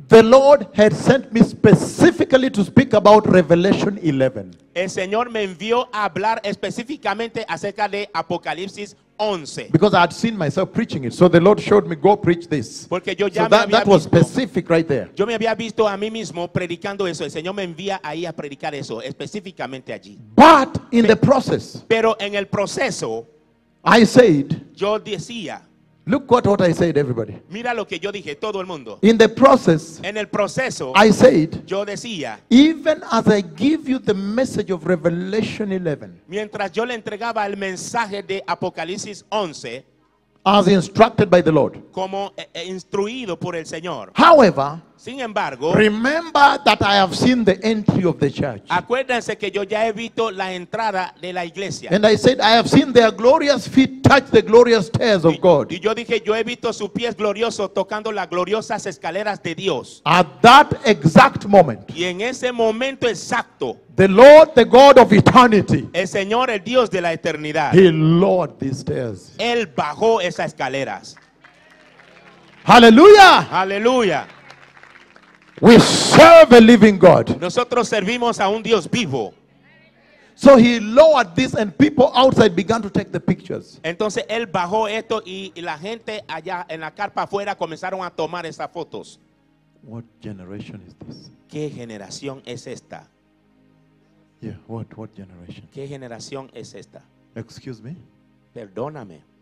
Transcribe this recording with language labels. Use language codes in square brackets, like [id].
[en] the Lord had sent me specifically to speak about Revelation 11. [es] El Señor me envió a hablar específicamente acerca de Apocalipsis 11. [en] Because I had seen myself preaching it, so the Lord showed me, go preach this. [es] Porque yo ya [en] so that was specific right there. [es] Yo me había visto a mí mismo predicando eso. El Señor me envía ahí a predicar eso específicamente allí. [en] But in the process, [es] pero en el proceso, [en] I said, [es] yo decía, [en] Look what I said, everybody. [es] Mira lo que yo dije, todo el mundo. [en] In the process, [es] en el proceso, [en] I said, [es] yo decía, [en] even as I give you the message of Revelation 11, [es] mientras yo le entregaba el mensaje de Apocalipsis 11, [en] as instructed by the Lord. [es] Como instruido por el Señor. [en] However, [es] sin embargo, [en] remember that I have seen the entry of the church. [es] Acuérdense que yo ya he visto la entrada de la iglesia. [en] And I said I have seen their glorious feet touch the glorious stairs of God. [es] Y yo dije, yo he visto sus pies gloriosos tocando las gloriosas escaleras de Dios. [en] At that exact moment. [es] Y en ese momento exacto. [en] The Lord, the God of eternity. [es] El Señor, el Dios de la eternidad. [en] He lowered these stairs. [es] Él bajó esas escaleras. Hallelujah. Hallelujah. [en] We serve a living God. [es] Nosotros servimos a un Dios vivo. [en] So he lowered this and people outside began to take the pictures. [es] Entonces él bajó esto y la gente allá en la carpa afuera comenzaron a tomar esas fotos. [en] What generation is this? [es] ¿Qué generación es esta? [en] Yeah, what generation? [es] ¿Qué generación es esta? [en] Excuse me. [es] Perdóname.